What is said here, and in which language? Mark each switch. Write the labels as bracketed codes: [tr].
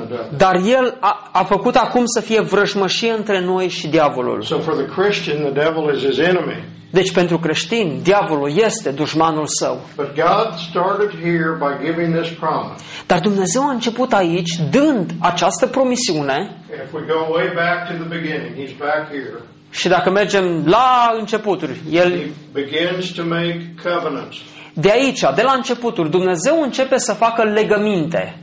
[ro] Dar el a făcut acum să fie vrăjmășie între noi și diavolul. [en] So for the Christian, the devil is his enemy. [ro] Deci pentru creștin, diavolul este dușmanul său. [en] But God started here by giving this promise. [ro] Dar Dumnezeu a început aici dând această promisiune. [en] If we go way back to the beginning, he's back here. [ro] Și dacă mergem la începuturi, el [en] begins to make covenants. [ro] De aici, de la începuturi, Dumnezeu începe să facă legăminte.